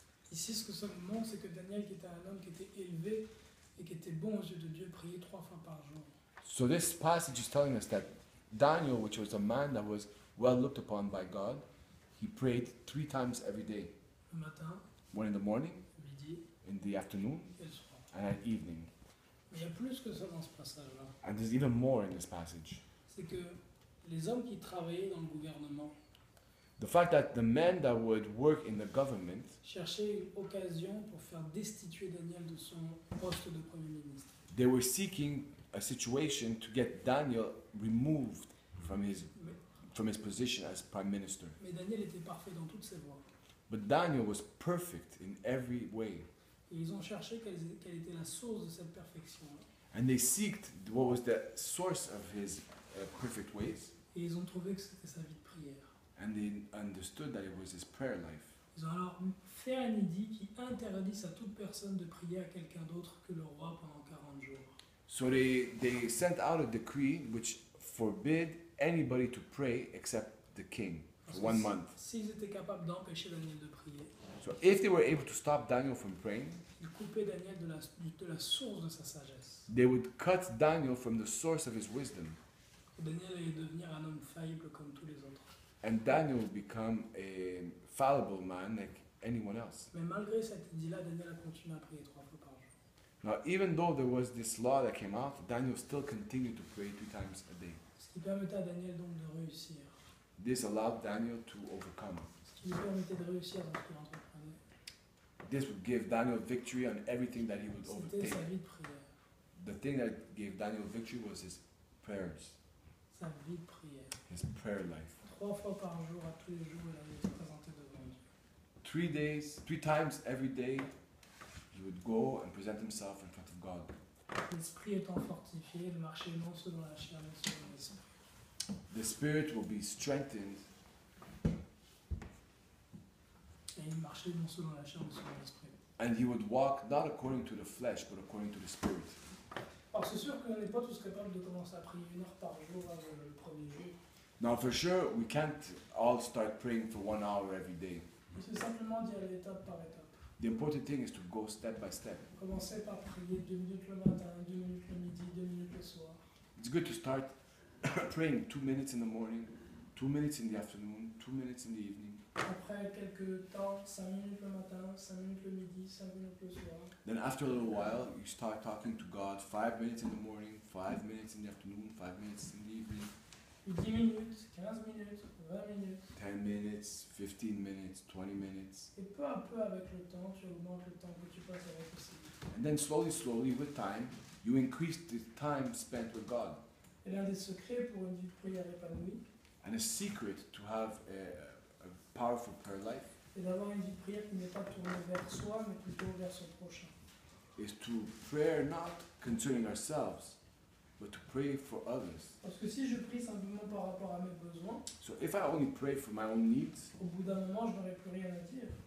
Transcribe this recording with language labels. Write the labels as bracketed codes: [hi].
[fr] Ici, ce que ça nous montre, c'est que Daniel, qui était un homme qui était élevé et qui était bon aux yeux de Dieu, priait trois fois par jour. [en] So this passage is telling us that Daniel, which was a man that was well looked upon by God, he prayed three times every day. [fr] Le matin, [en] one in the morning, [fr] midi, [en] in the afternoon, and at evening. [fr] Mais il y a plus que ça dans ce passage-là. [en] And there's even more in this passage. [fr] C'est que les hommes qui travaillaient dans le gouvernement, [en] The fact that the men that would work in the government [fr] cherchaient une occasion pour faire destituer Daniel de son poste de premier ministre. [en] They were seeking a situation to get Daniel removed from his position as prime minister. [fr] Mais Daniel était parfait dans toutes ses voies. [en] But Daniel was perfect in every way. [fr] Et ils ont cherché quelle était la source de cette perfection. [en] And they sought what was the source of his perfect ways. [fr] Et ils ont trouvé que c'était sa vie de prière. [en] And they understood that it was his prayer life. [fr] Ils ont alors fait un édit qui interdit à toute personne de prier à quelqu'un d'autre que le roi pendant 40 jours. [en] So they sent out a decree which forbid anybody to pray except the king for one month. [fr] S'ils étaient capables d'empêcher Daniel de prier. [en] So if they were able to stop Daniel from praying, [fr] ils coupaient Daniel de la source de sa sagesse. [en] They would cut Daniel from the source of his wisdom. [fr] Daniel allait devenir un homme faillible comme tous les autres. [en] And Daniel would become a fallible man like anyone else. [fr] Mais malgré cet édit-là, Daniel a continué à prier trois fois par jour. [en] Now, even though there was this law that came out, Daniel still continued to pray three times a day. [fr] Ce qui permettait à Daniel donc de réussir. [en] This allowed Daniel to overcome. [fr] Ce qui lui permettait de réussir dans ce qu'il entreprenait. [en] This would give Daniel victory on everything that he would [fr] C'était [en] overtake. [fr] Sa vie de prière. [en] The thing that gave Daniel victory was his prayers. [fr] Sa vie de prière. [en] His prayer life. [fr] Trois fois par jour, à tous les jours, il allait se présenter devant Dieu. [en] Three times every day, he would go and present himself in front of God. [fr] L'esprit étant fortifié, il marchait non selon la chair, mais selon l'esprit. [en] The spirit will be strengthened. [fr] Et il marchait non selon la chair, mais selon l'esprit. [en] And he would walk not according to the flesh, but according to the spirit. [fr] Alors c'est sûr que nous n'est pas tous capables de commencer à prier une heure par jour le premier jour. [en] Now for sure, we can't all start praying for 1 hour every day. [fr] Mais c'est simplement d'y aller étape par étape. [en] The important thing is to go step by step. [fr] Commencez par prier 2 minutes le matin, 2 minutes le midi, 2 minutes le soir. [en] It's good to start praying 2 minutes in the morning, 2 minutes in the afternoon, 2 minutes in the evening. [fr] Après quelques temps, 5 minutes le matin, 5 minutes le midi, 5 minutes le soir. [en] Then after a little while, you start talking to God 5 minutes in the morning, 5 minutes in the afternoon, 5 minutes in the evening. [fr] 10 minutes, 15 minutes, 20 minutes. [en] 10 minutes, 15 minutes, 20 minutes. [fr] Et peu à peu avec le temps, tu augmentes le temps que tu passes avec Dieu. [en] And then slowly, slowly, with time, you increase the time spent with God. [fr] Et l'un des secrets pour une vie de prière épanouie. [en] And a secret to have a powerful prayer life. [fr] Et d'avoir une vie de prière qui n'est pas tournée vers soi, mais plutôt vers son prochain. [en] Is to pray not concerning ourselves. But to pray for others. [fr] Parce que si je prie simplement par rapport à mes besoins, [en] so if I only pray for my own needs, [fr] au bout d'un moment, je n'aurai plus rien à dire.